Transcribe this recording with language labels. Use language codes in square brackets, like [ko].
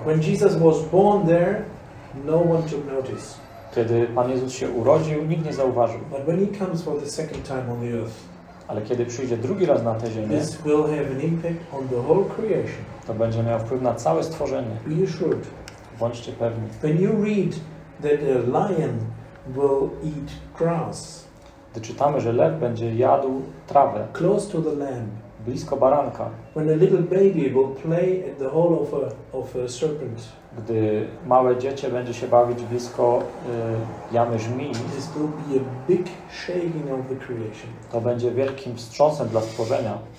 [en] When Jesus was born there, no one took notice. [pl] Kiedy Pan Jezus się urodził, nikt nie zauważył. [en] But when He comes for the second time on the earth, [pl] ale kiedy przyjdzie drugi raz na tę ziemię, [en] this will have an impact on the whole creation. [pl] To będzie miał wpływ na całe stworzenie. [en] Be assured. [pl] Bądźcie pewni. [en] When you read that a lion will eat grass, [pl] gdy czytamy, że lew będzie jadł trawę, [en] close to the lamb, [pl] blisko baranka. [en] When a little baby will play in the hole of a serpent. [pl] Gdy małe dziecię będzie się bawić blisko jamy żmij, [en] this will be a big shaking of the creation. [pl] To będzie wielkim wstrząsem dla stworzenia.